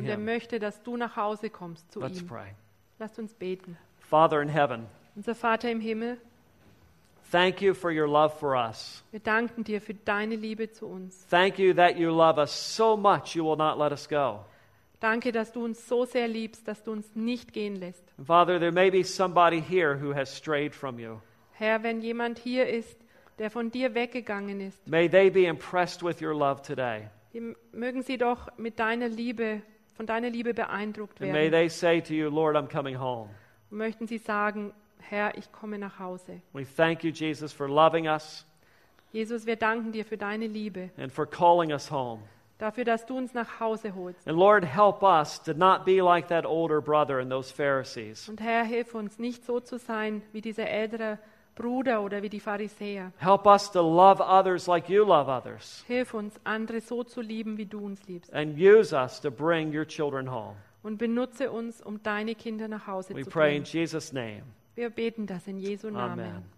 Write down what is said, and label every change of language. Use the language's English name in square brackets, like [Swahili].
[German] Und er möchte, dass du nach Hause kommst zu ihm. [English] Let's pray. [German] Lasst uns beten. [English] Father in heaven. [German] Unser Vater im Himmel. [English] Thank you for your love for us. [German] Wir danken dir für deine Liebe zu uns. [English] Thank you that you love us so much you will not let us go. [German] Danke, dass du uns so sehr liebst, dass du uns nicht gehen lässt. [English] Father, there may be somebody here who has strayed from you. [German] Herr, wenn jemand hier ist, der von dir weggegangen ist. [English] May they be impressed with your love today. [German] Mögen sie doch mit deiner Liebe, von deiner Liebe beeindruckt werden. [English] And may they say to you, Lord, I'm coming home. [German] Und möchten sie sagen, Herr, ich komme nach Hause. [English] We thank you, Jesus, for loving us. [German] Jesus, wir danken dir für deine Liebe. [English] And for calling us home. [German] dafür, dass du uns nach Hause holst. [English] And Lord, help us to not be like that older brother and those Pharisees. [German] Und Herr, hilf uns, nicht so zu sein wie dieser ältere Bruder oder wie die Pharisäer. [English] Help us to love others like you love others. [German] Hilf uns, andere so zu lieben, wie du uns liebst. [English] And use us to bring your children home. [German] Und benutze uns, um deine Kinder nach Hause [English] we [German] zu bringen. [English] We pray in Jesus' name. [German] Wir beten das in Jesu Namen.